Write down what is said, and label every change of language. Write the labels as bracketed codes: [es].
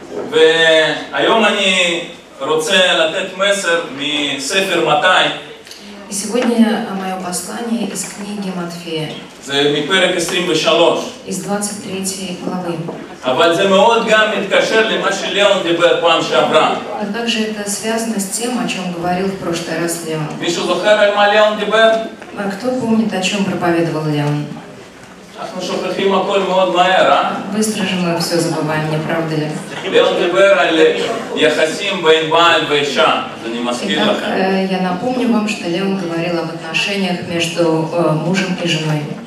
[he] והיום אני רוצה לתת מסר מספר מתי. [ru] И сегодня мое послание из книги Матфея. [he] זה מפרק 23. [ru] Из 23 главы. [he] אבל זה מאוד גם מתקשר למה שליאון דיבר פעם שעברה. [ru] А также это связано с тем, о чем говорил в прошлый раз Леон. [he] מישהו זוכר על מה ליאון דיבר? [ru] А кто помнит, о чем проповедовал Леон? [he] אנחנו שוכחים הכל מאוד מהר, אה? [ru] Быстро же мы все забываем, не правда ли? [he] Леон דיבר על יחסים בין בעל ואישה. [ru] Итак, я напомню вам, что Леон говорил об отношениях между мужем и женой.